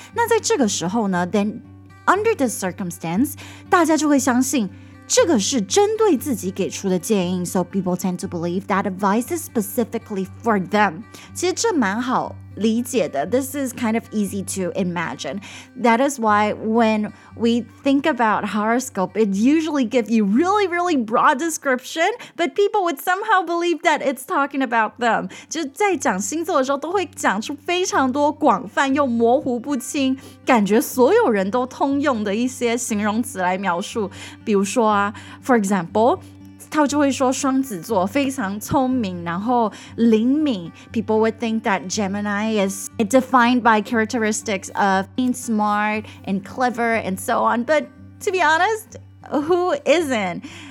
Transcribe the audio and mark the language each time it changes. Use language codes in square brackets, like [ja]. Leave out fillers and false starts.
[zh] 那在这个时候呢 [en] then under this circumstance, [zh] 大家就会相信这个是针对自己给出的建议 [en] So people tend to believe that advice is specifically for them. [zh] 其实这蛮好理解的 [en] This is kind of easy to imagine. That is why when we think about horoscope, it usually gives you really, really broad description, but people would somehow believe that it's talking about them. [zh] 就在讲星座的时候都会讲出非常多广泛又模糊不清感觉所有人都通用的一些形容词来描述。比如说啊 [en] for example, [zh] 他就会说双子座非常聪明然后灵敏 [en] People would think that Gemini is defined by characteristics of being smart and clever and so on But to be honest, who isn't?